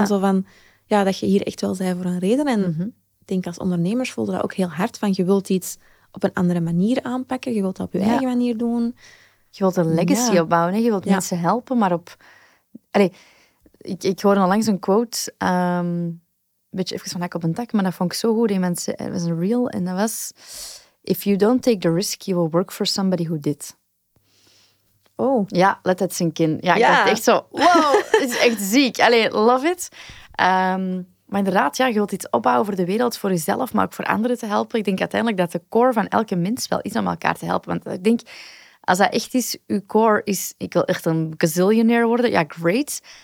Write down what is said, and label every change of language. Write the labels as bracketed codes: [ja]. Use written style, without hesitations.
[nl] En zo van, ja, dat je hier echt wel zei voor een reden. En ik denk als ondernemers voelde dat ook heel hard, van je wilt iets op een andere manier aanpakken, je wilt dat op je eigen manier doen. Je wilt een legacy opbouwen, hè? Je wilt mensen helpen, maar op... Allee, ik hoorde al langs een quote, een beetje even van hak op een tak, maar dat vond ik zo goed. Het was een reel en dat was... [en] If you don't take the risk, you will work for somebody who did. Oh. [nl] Ja, [en] let that sink in. [nl] Ja, ik dacht echt zo, wow, het is echt ziek. Allee, [en] love it. [nl] Maar inderdaad, ja, je wilt iets opbouwen voor de wereld, voor jezelf, maar ook voor anderen te helpen. Ik denk uiteindelijk dat de core van elke mens wel is om elkaar te helpen. Want ik denk, als dat echt is, je core is, ik wil echt een gazillionaire worden, ja, great.